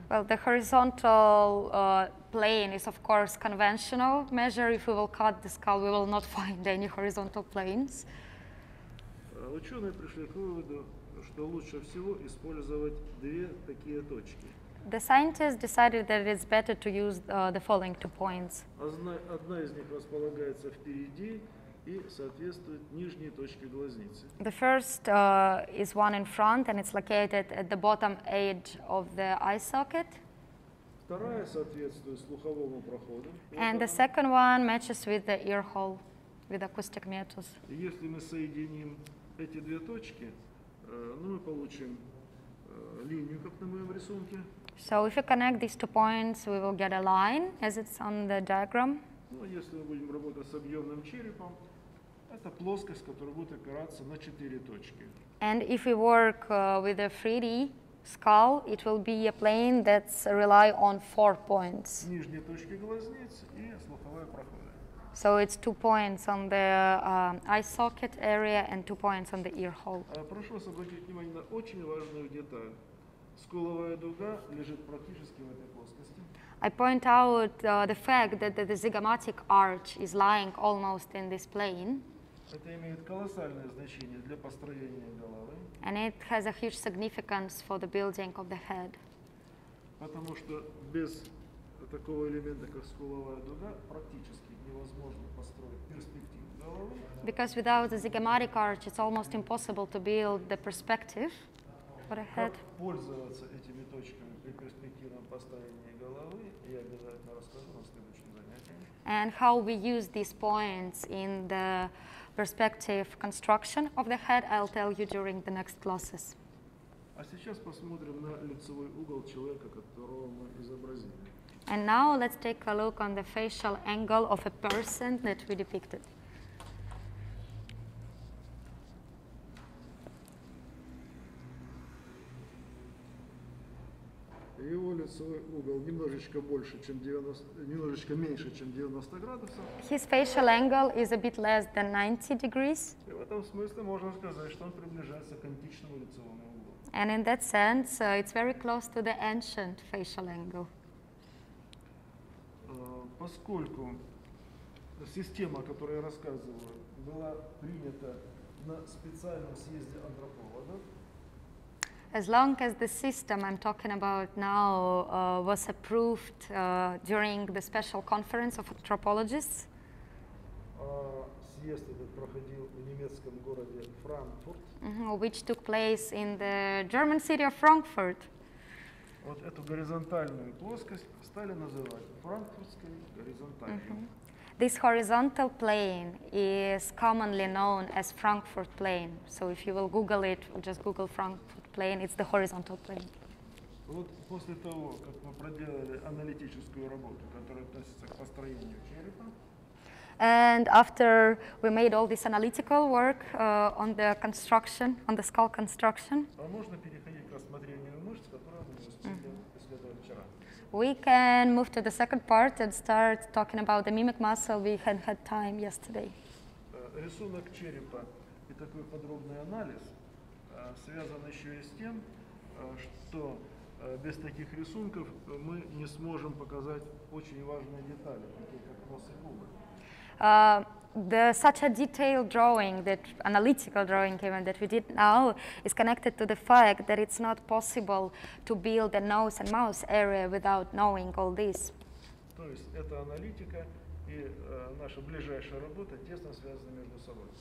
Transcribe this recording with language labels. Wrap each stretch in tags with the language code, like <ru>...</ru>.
<en>Well, the horizontal plane is, of course, conventional measure. If we will cut the skull, we will not find any horizontal planes.</en> <ru>Ученые пришли к выводу, что лучше всего использовать две такие точки.</ru> <en>The scientists decided that it's better to use the following two points.</en> <ru>Одна из них располагается впереди и соответствует нижней точке глазницы.</ru> <en>The first is one in front, and it's located at the bottom edge of the eye socket.</en> <ru>Вторая соответствует слуховому проходу.</ru> <en>And the second one matches with the ear hole, with acoustic meatus.</en> <ru>Если мы соединим эти две точки, мы получим линию, как на моем рисунке.</ru> <en>So if you connect these two points, we will get a line, as it's on the diagram.</en> <ru>Ну, если мы будем работать с объемным черепом, это плоскость, которая будет опираться на четыре точки.</ru> <en>And if we work with a 3D skull, it will be a plane that's rely on four points.</en> <ru>Нижние точки глазниц и слуховое проходы.</ru> <en>So it's two points on the eye socket area and two points on the ear hole.</en> <ru>Прошу вас обратить внимание на очень важную деталь. Скуловая дуга лежит практически в этой плоскости.</ru> <en>I point out the fact that the zygomatic arch is lying almost in this plane.</en> <ru>Это имеет колоссальное значение для построения головы.</ru> <en>And it has a huge significance for the building of the head.</en> <ru>Потому что без такого элемента, как скуловая дуга, практически невозможно построить перспективу головы.</ru> <en>Because without the zygomatic arch, it's almost impossible to build the perspective.</en> <ru>Как пользоваться этими точками при перспективном построении головы, я обязательно расскажу на следующем занятии.</ru> <en>And how we use these points in the perspective construction of the head, I'll tell you during the next classes.</en> <ru>А сейчас посмотрим на лицевой угол человека, которого мы изобразили.</ru> <en>And now let's take a look on the facial angle of a person that we depicted.</en> <ru>Его лицевой угол немножечко больше, чем 90, немножечко меньше, чем 90 градусов.</ru> <en>His facial angle is a bit less than 90 degrees.</en> <ru>И в этом смысле можно сказать, что он приближается к античному лицевому углу.</ru> <en>And in that sense, it's very close to the ancient facial angle.</en> <ru>Поскольку система, о которой я рассказываю, была принята на специальном съезде антропологов.</ru> <en>As long as the system I'm talking about now was approved during the special conference of anthropologists.</en> <ru>Съезд этот проходил в немецком городе Франкфурт.</ru> <en>Which took place in the German city of Frankfurt.</en> <ru>Вот эту горизонтальную плоскость стали называть франкфуртской горизонтальной.</ru> <en>This horizontal plane is commonly known as Frankfurt plane. So if you will Google it, just Google Frankfurt plane, it's the horizontal plane.</en> <ru>Вот после того, как мы проделали аналитическую работу, которая относится к построению черепа.</ru> <en>And after we made all this analytical work on the construction, on the skull construction.</en> <ru>Можно переходить к рассмотрению мышц, которые мы исследовали вчера.</ru> <en>We can move to the second part and start talking about the mimic muscle we had time yesterday.</en> <ru>Рисунок черепа и такой подробный анализ связан еще и с тем, что без таких рисунков мы не сможем показать очень важные детали, такие как нос и губы.</ru> <en>Such a detailed drawing, that analytical drawing even that we did now, is connected to the fact that it's not possible to build a nose and mouth area without knowing all this.</en> <ru>То есть эта аналитика и наша ближайшая работа тесно связаны между собой.</ru>